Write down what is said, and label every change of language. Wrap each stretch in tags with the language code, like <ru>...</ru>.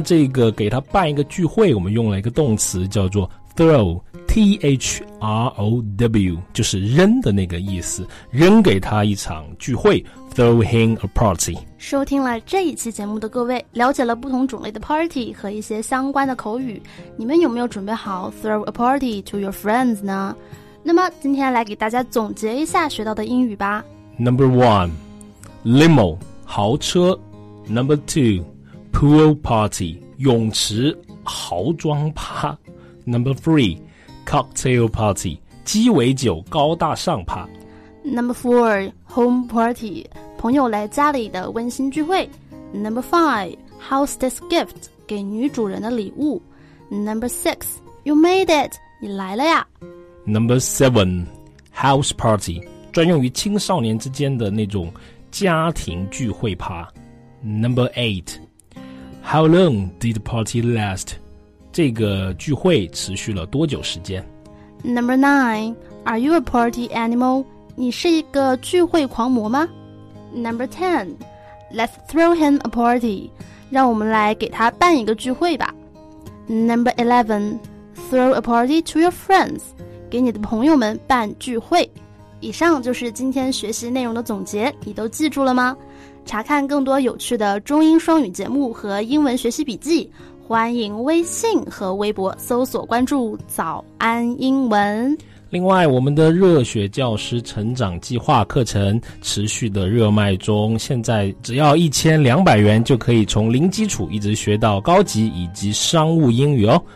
<zh>这个给他办一个聚会，我们用了一个动词叫做</zh> <en>throw, T-H-R-O-W,</en> <zh>就是扔的那个意思，扔给他一场聚会，</zh> <en>throw him a party。</en> <zh>收听了这一期节目的各位，了解了不同种类的 party 和一些相关的口语，你们有没有准备好</zh> <en>throw a party to your friends</en> <zh>呢？那么今天来给大家总结一下学到的英语吧。</zh> <en>Number one, limo,</en> <zh>豪车。</zh> <en>Number two, pool party,</en> <zh>泳池豪装趴。</zh> <en>Number three, cocktail party,</en> <zh>鸡尾酒高大上趴。</zh> <en>Number four, home party,</en> <zh>朋友来家里的温馨聚会。</zh> <en>Number five, hostess gift,</en> <zh>给女主人的礼物。</zh> <en>Number six, you made it,</en> <zh>你来了呀。</zh> <en>Number seven, house party,</en> <zh>专用于青少年之间的那种家庭聚会趴。</zh> <en>Number eight, how long did the party last?</en> <zh>这个聚会持续了多久时间？</zh> <en>Number nine, are you a party animal?</en> <zh>你是一个聚会狂魔吗？</zh> <en>Number ten, let's throw him a party.</en> <zh>让我们来给他办一个聚会吧。</zh> <en>Number 11, throw a party to your friends.</en> <zh>给你的朋友们办聚会。以上就是今天学习内容的总结，你都记住了吗？查看更多有趣的中英双语节目和英文学习笔记，欢迎微信和微博搜索关注早安英文。另外，我们的热血教师成长计划课程持续的热卖中，现在只要1200元就可以从零基础一直学到高级以及商务英语哦。</zh>